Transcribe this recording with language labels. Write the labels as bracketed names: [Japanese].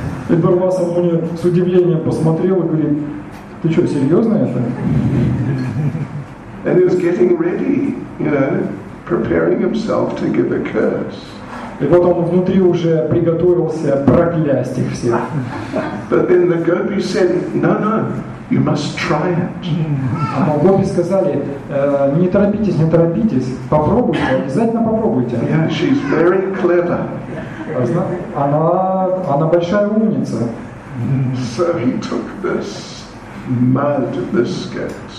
[Russian] И Дурвасе Муни с удивлением посмотрел и говорит, ты что, серьезно это? [English] And he's getting ready, you know. Preparing himself to give a curse. [Russian] И вот он внутри уже приготовился проклясть их всех. [English] But then the gopis said, "No, no, you must try it." [Russian] А гопи сказали, не торопитесь, не торопитесь, попробуйте, обязательно попробуйте. [English] Yeah, she's very clever. [Russian] Она большая умница. [English] So he took this mud biscuit.